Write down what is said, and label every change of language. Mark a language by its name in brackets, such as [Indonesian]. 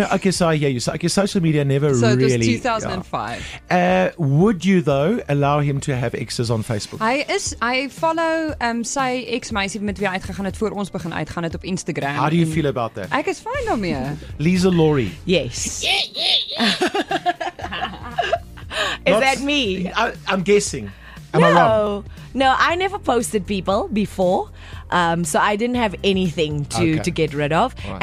[English] So I hear you. So, okay, social media never so really. So it was 2005. Yeah. Would you, though, allow him to have exes on Facebook? [Afrikaans] I follow sy ex meisie met wie hy uitgegaan het voor ons begin uitgaan het op Instagram. [English] How do you feel about that? [Afrikaans] Ek is fine daarmee. [English] Lisa Lori. Yes. Yeah, yeah, yeah. Is that me? I'm guessing. Am no. I wrong? No, I never posted people before. So I didn't have anything to get rid of. Right.